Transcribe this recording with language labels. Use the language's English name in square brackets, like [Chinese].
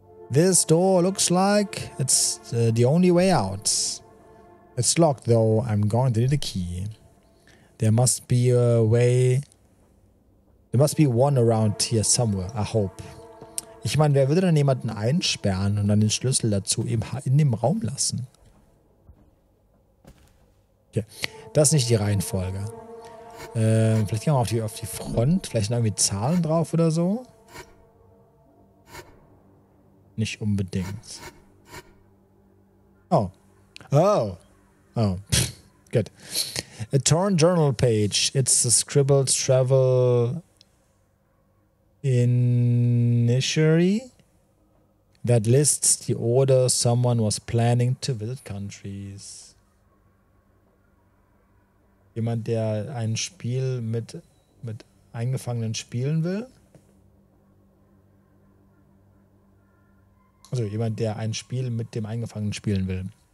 [English] This door looks like it's the only way out. It's locked, though. I'm going to need a key. There must be a way... There must be one around here somewhere, I hope. [German] Ich meine, wer würde dann jemanden einsperren und dann den Schlüssel dazu in dem Raum lassen? Okay, das ist nicht die Reihenfolge. Vielleicht gehen wir auf die Front, vielleicht sind irgendwie Zahlen drauf oder so? Nicht unbedingt. Oh. Oh. Oh. Good. [English] A torn journal page. It's a scribbled travel... Initiary that lists the order someone was planning to visit countries. [German] Jemand, der ein Spiel mit Eingefangenen spielen will? Also jemand, der ein Spiel mit dem Eingefangenen spielen will.